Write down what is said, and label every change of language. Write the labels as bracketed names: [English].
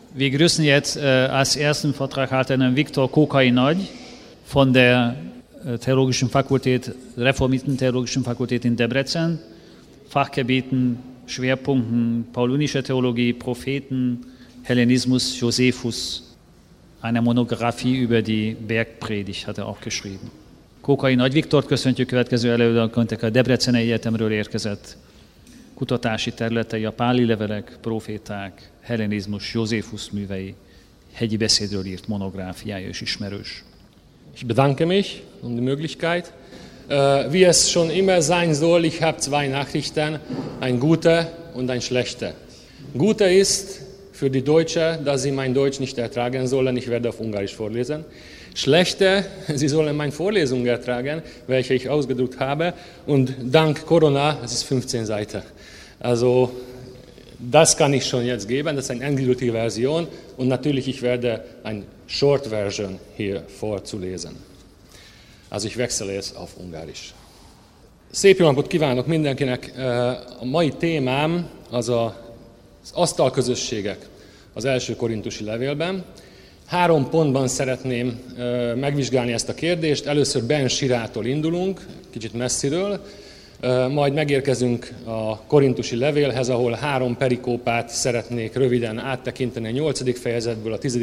[German] Wir grüßen jetzt als ersten Vortraghalter Herrn Viktor Kokainoj von der Theologischen Fakultät, Reformierten Theologischen Fakultät in Debrecen, Fachgebieten, Schwerpunkten, paulinische Theologie, Propheten, Hellenismus, Josephus, eine Monographie über die Bergpredigt hat er auch geschrieben. [Hungarian] Kokainoj Viktort köszöntjük következő előadóként a Debreceni Egyetemről érkezett kutatási területei, a páli levelek, proféták, Hellenizmus, Josephus művei, hegyi beszédről írt monográfiája is ismerős. [German] Ich bedanke mich um die Möglichkeit. Wie es schon immer sein soll, ich habe zwei Nachrichten, ein gute und ein schlechte. Gute ist für die Deutsche, dass sie mein Deutsch nicht ertragen sollen, ich werde auf Ungarisch vorlesen. Schlechte, sie sollen meine Vorlesung ertragen, welche ich ausgedruckt habe, und dank Corona, es ist 15 Seiten. Also das kann ich schon jetzt geben, das ist eine englische Version und natürlich ich werde eine Short Version hier vorzulesen. Also ich wechsle jetzt auf Ungarisch. [Hungarian] Szép napot kívánok mindenkinek! A mai témám az az asztalközösségek az első korintusi levélben. Három pontban szeretném megvizsgálni ezt a kérdést. Először Ben Sirától indulunk, kicsit messziről. Majd megérkezünk a korintusi levélhez, ahol három perikópát szeretnék röviden áttekinteni a 8. fejezetből, a 10.